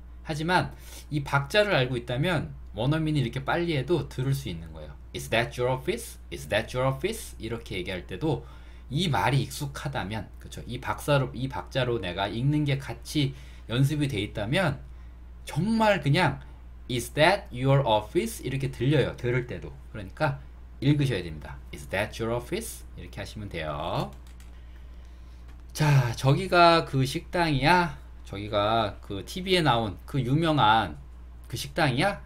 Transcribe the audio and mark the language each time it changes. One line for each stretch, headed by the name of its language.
Korean: 하지만 이 박자를 알고 있다면 원어민이 이렇게 빨리 해도 들을 수 있는 거예요.
English: Is that your office? Is that your office?
Korean: 이렇게 얘기할 때도 이 말이 익숙하다면, 그렇죠? 이 박자로 내가 읽는 게 같이 연습이 돼 있다면 정말 그냥
English: Is that your office?
Korean: 이렇게 들려요. 들을 때도. 그러니까 읽으셔야 됩니다.
English: Is that your office?
Korean: 이렇게 하시면 돼요. 자, 저기가 그 식당이야? 저기가 그 TV에 나온 그 유명한 그 식당이야?